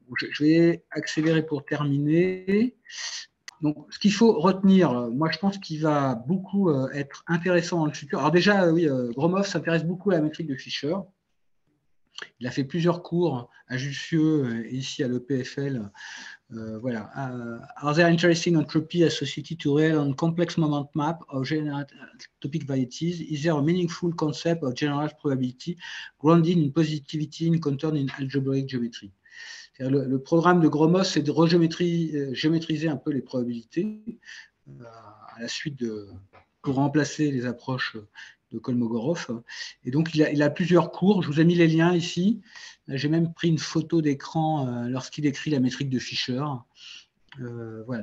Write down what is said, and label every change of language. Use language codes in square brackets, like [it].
[fr] Je vais accélérer pour terminer. Donc, ce qu'il faut retenir, moi, je pense qu'il va beaucoup être intéressant dans le futur. Alors déjà, oui, Gromov s'intéresse beaucoup à la métrique de Fisher. Il a fait plusieurs cours à Jussieu, ici à l'EPFL. Voilà. [en] Are there interesting entropy associated to real and complex moment map of general topic varieties? Is there a meaningful concept of general probability grounded in positivity and contained in algebraic geometry? [fr] Le programme de Gromov, c'est de géométriser un peu les probabilités à la suite pour remplacer les approches de Kolmogorov. Et donc, il a plusieurs cours. Je vous ai mis les liens ici. J'ai même pris une photo d'écran lorsqu'il écrit la métrique de Fisher. Voilà.